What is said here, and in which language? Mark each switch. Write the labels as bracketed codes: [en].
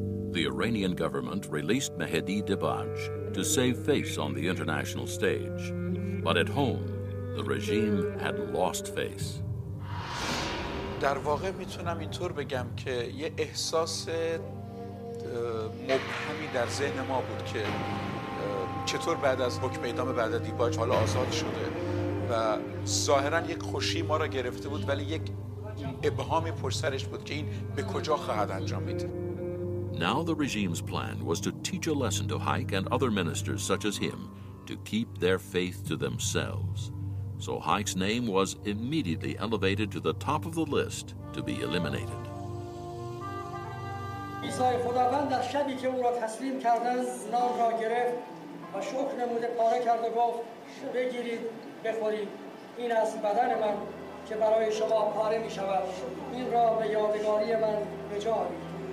[en] The Iranian government released Mehdi Dibaj to save face on the international stage. But at home, the regime had lost face. [fa] در واقع میتونم اینطور بگم که یه احساس مبهمی در ذهن ما بود که چطور بعد از حکم اعدام بعد از دیباج حالا آزاد شده و ظاهرا یک خوشی ما را گرفته بود ولی یک ابهامی پشت سرش بود که این به کجا خواهد انجامید. [en] Now the regime's plan was to teach a lesson to Haik and other ministers such as him to keep their faith to themselves. So Haik's name was immediately elevated to the top of the list to be eliminated. [fa] عیسی خداوند در شبی که او را تسلیم کردند نان را گرفت و شکر نموده پاره کرد و گفت بگیرید بخورید این از بدن من که برای شما پاره می شود این را به یادگاری من به جا آورید.